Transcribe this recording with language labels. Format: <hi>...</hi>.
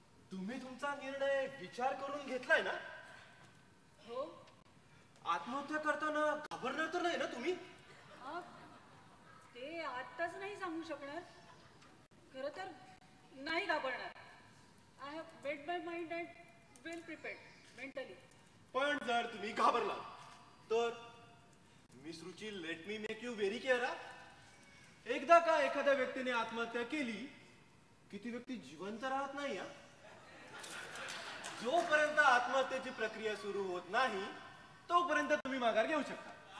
<mr>तुम्ही तुमचा निर्णय विचार करून घेतलाय ना? हो. आत्महत्या करताना घाबरणार तर नाही ना तुम्ही? ते आताच नाही सांगू शकणार, खर तर नाही घाबरणार.</mr> <en>I have made my mind and well prepared mentally.</en> <mr>पण जर तुम्ही घाबरला तर miss Ruchi,</mr> <en>Let me make you very clear.</en> <mr>एकदा का एखाद्या व्यक्तीने आत्महत्या केली की ती व्यक्ती जिवंत राहत नाही. जोपर्यंत आत्महत्येची प्रक्रिया सुरू होत नाही तोपर्यंत तुम्ही माघार घेऊ शकता.</mr>